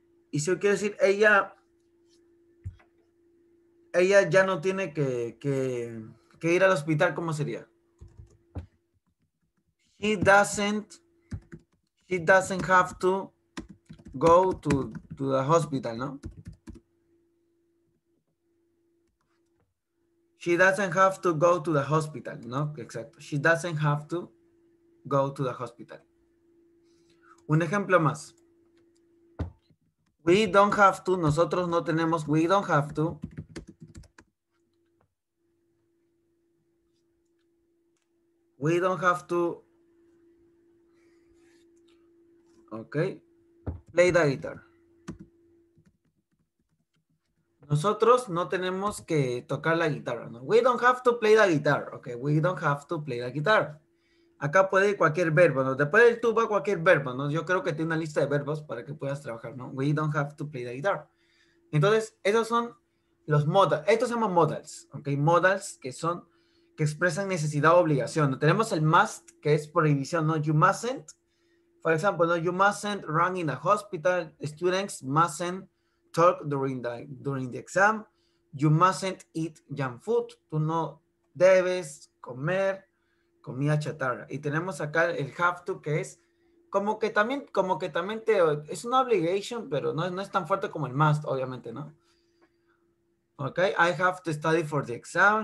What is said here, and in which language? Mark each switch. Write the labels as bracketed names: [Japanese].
[Spanish] Y si yo quiero decir, ella ya no tiene que ir al hospital, ¿cómo sería? [English] She doesn't have to go to the hospital, ¿no? She doesn't have to go to the hospital, ¿no? [Spanish] Exacto. [English] She doesn't have to go to the hospital. [Spanish] Un ejemplo más. [English] We don't have to, [Spanish] nosotros no tenemos, [English] we don't have to. We don't have to. Okay. Play the guitar. [Spanish] Nosotros no tenemos que tocar la guitarra, ¿no? [English] We don't have to play the guitar. Okay, we don't have to play the guitar. [Spanish] Acá puede ir cualquier verbo, ¿no? Después del tú va cualquier verbo, ¿no? Yo creo que tiene una lista de verbos para que puedas trabajar, ¿no? [English] We don't have to play the guitar. [Spanish] Entonces, esos son los modals. Estos se llaman modals, ¿ok? Modals que son, que expresan necesidad o obligación, ¿no? Tenemos el must, que es prohibición, ¿no? [English] You mustn't. [Spanish] Por ejemplo, ¿no? [English] You mustn't run in the hospital. Students mustn't talk during the exam. You mustn't eat junk food. [Spanish] Tú no debes comer comida chatarra. Y tenemos acá el have to, que es como que también te, es una obligation, pero no es tan fuerte como el must, obviamente, ¿no? [English] Ok, I have to study for the exam.